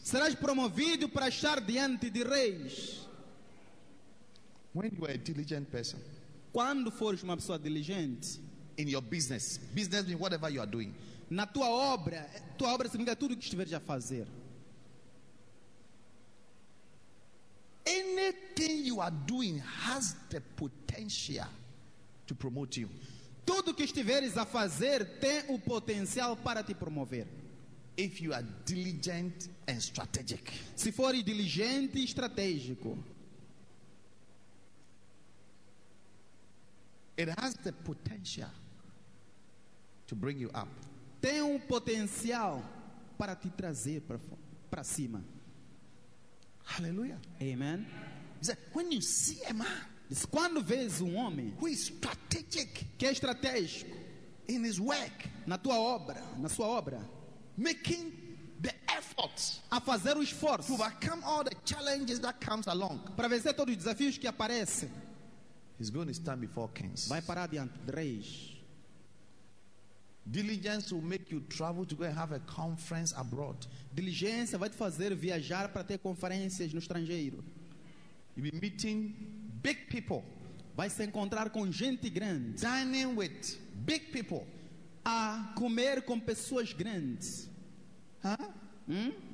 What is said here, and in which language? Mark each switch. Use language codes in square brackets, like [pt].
[pt] Serás promovido para estar diante de reis. [en] When you are a diligent person. [pt] Quando fores uma pessoa diligente. [en] In your business. Business means whatever you are doing. [pt] Na tua obra significa tudo o que estiveres a fazer. [en] Anything you are doing has the potential to promote you. [pt] Tudo que estiveres a fazer tem o potencial para te promover. [en] If you are diligent and strategic. [pt] Se fores diligente e estratégico. [en] It has the potential to bring you up. [pt] Tem um potencial para te trazer para cima. Hallelujah. Amen. [en] He said, when you see a man, [pt] quando vês homem [en] who is strategic, [pt] que é estratégico, [en] in his work, [pt] na tua obra, na sua obra, [en] making the efforts, [pt] a fazer o esforço, [en] to overcome all the challenges that comes along, [pt] para vencer todos os desafios que aparecem, [en] he's going to stand before kings. [pt] Vai parar diante de reis. [en] Diligence will make you travel to go and have a conference abroad. [pt] Diligência vai te fazer viajar para ter conferências no estrangeiro. [en] You'll be meeting big people. [pt] Vai se encontrar com gente grande. [en] Dining with big people. [pt] A comer com pessoas grandes. Huh? Hmm?